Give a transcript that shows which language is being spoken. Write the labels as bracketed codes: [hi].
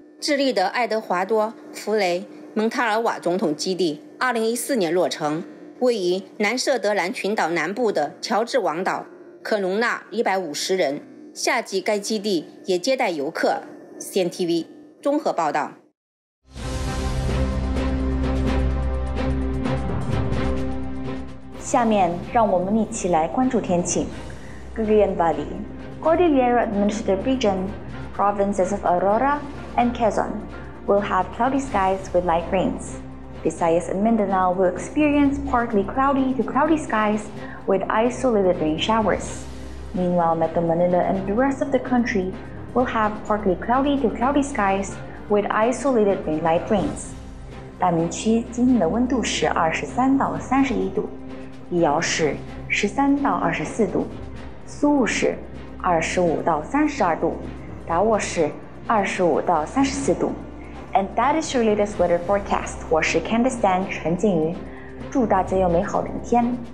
[zh] 智利的爱德华多·弗雷·蒙塔尔瓦总统基地2014年落成，位于南设得兰群岛南部的乔治王岛，可容纳150人。夏季该基地也接待游客。 CNTV 综合报道。下面让我们一起来关注天气。 [en] Gurian Valley Cordillera Administrative Region Provinces of Aurora and Quezon will have cloudy skies with light rains. Visayas and Mindanao will experience partly cloudy to cloudy skies with isolated rain showers. Meanwhile, Metro Manila and the rest of the country will have partly cloudy to cloudy skies with isolated rain light rains. [zh] 大明区今天的温度是23到31度，宜尧市13到24度，苏雾市25到32度，达沃市25到34度。 [en] And that is your latest weather forecast. [zh] 我是 Candice Dan 陈静瑜，祝大家有美好的一天。